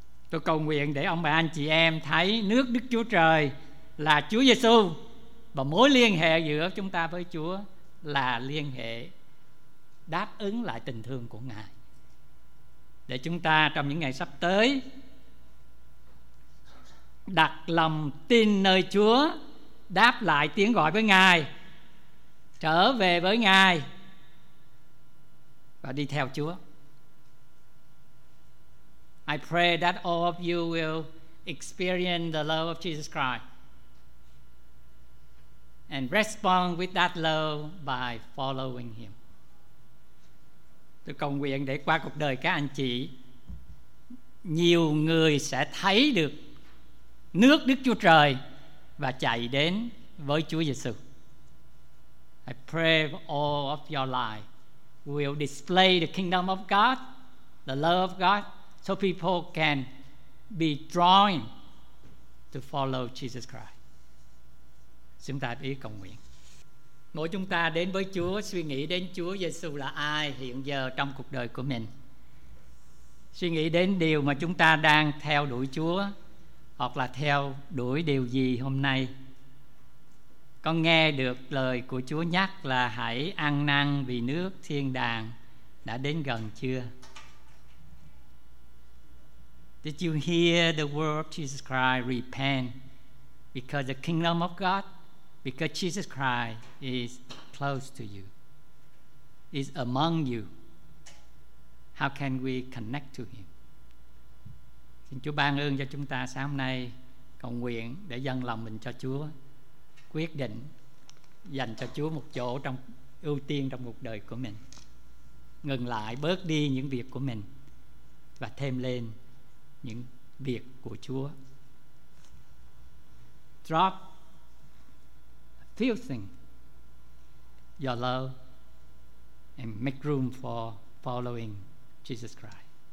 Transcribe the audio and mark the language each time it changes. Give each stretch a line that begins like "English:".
Vietnamese: Tôi cầu nguyện để ông bà anh chị em thấy nước Đức Chúa Trời là Chúa Giêsu, và mối liên hệ giữa chúng ta với Chúa là liên hệ đáp ứng lại tình thương của Ngài, để chúng ta trong những ngày sắp tới đặt lòng tin nơi Chúa, đáp lại tiếng gọi với Ngài, trở về với Ngài và đi theo Chúa.
English: I pray that all of you will experience the love of Jesus Christ and respond with that love by following him.
Vietnamese: Tôi cầu nguyện để qua cuộc đời các anh chị, nhiều người sẽ thấy được nước Đức Chúa Trời và chạy đến với Chúa Giêsu.
English: I pray all of your life will display the kingdom of God, the love of God, so people can be drawn to follow Jesus Christ.
Vietnamese: Chúng ta biết cầu nguyện. Mỗi chúng ta đến với Chúa, suy nghĩ đến Chúa Giêsu là ai hiện giờ trong cuộc đời của mình. Suy nghĩ đến điều mà chúng ta đang theo đuổi Chúa, hoặc là theo đuổi điều gì hôm nay. Con nghe được lời của Chúa nhắc là hãy ăn năn vì nước thiên đàng đã đến gần chưa?
English: Did you hear the word of Jesus Christ? Repent, because the kingdom of God, because Jesus Christ is close to you, is among you. How can we connect to him?
Vietnamese: Xin Chúa ban ơn cho chúng ta sáng hôm nay, cầu nguyện để dâng lòng mình cho Chúa, quyết định dành cho Chúa một chỗ trong ưu tiên trong cuộc đời của mình, ngừng lại bớt đi những việc của mình và thêm lên những việc của Chúa.
English: Drop a few things, your love, and make room for following Jesus Christ.